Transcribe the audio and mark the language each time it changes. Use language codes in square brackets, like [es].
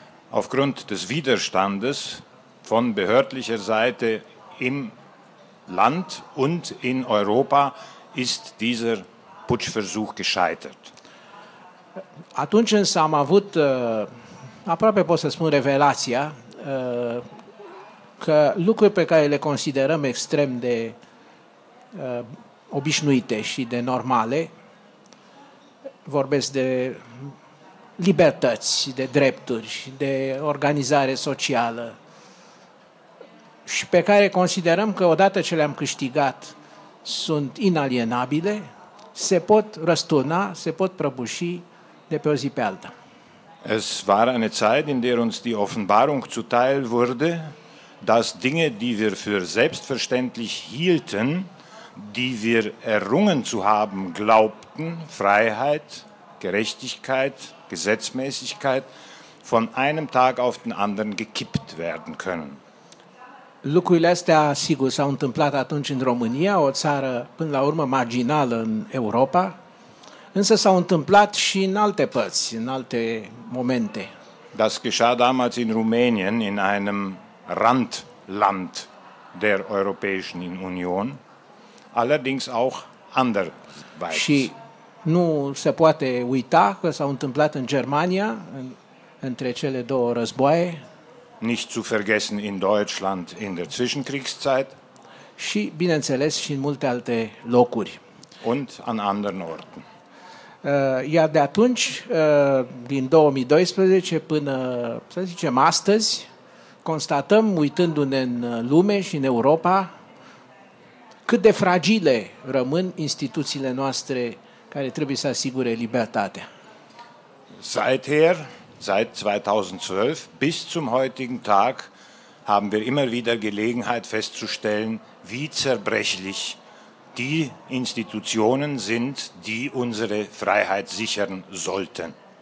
[de] Aufgrund des Widerstandes von behördlicher Seite im Land und in Europa ist dieser Putschversuch gescheitert. [ro] Atunci însă am avut aproape pot să spun revelația că lucruri pe care le considerăm extrem de obișnuite și de normale, vorbesc de libertăți, de drepturi, de organizare socială, și pe care considerăm că odată ce le-am câștigat sunt inalienabile, se pot răsturna, se pot prăbuși de pe o zi pe alta. [de] Es war eine Zeit, in der uns die Offenbarung zuteil wurde, dass Dinge, die wir für selbstverständlich hielten, die wir errungen zu haben glaubten, Freiheit, Gerechtigkeit, Gesetzmäßigkeit, von einem Tag auf den anderen gekippt werden können. [ro] Lucrurile astea, sigur, s-au întâmplat atunci în România, o țară până la urmă marginală în Europa, însă s-au întâmplat și în alte părți, în alte momente. [de] Das geschah damals in Rumänien, in einem Randland der Europäischen Union, allerdings auch anderweit. [ro] Și nu se poate uita că s-au întâmplat în Germania, între cele două războaie. [de] Nicht zu vergessen in Deutschland in der Zwischenkriegszeit. [ro] Și, bineînțeles, și în multe alte locuri. [de] Und an anderen Orten. [ro] Iar de atunci, din 2012 până, să zicem, astăzi, constatăm, uitându-ne în lume și în Europa, cât de fragile rămân instituțiile noastre care trebuie să asigure libertatea. [de] Seit 2012 bis zum heutigen Tag haben wir immer wieder Gelegenheit festzustellen, wie zerbrechlich die Institutionen sind, die unsere Freiheit sichern sollten.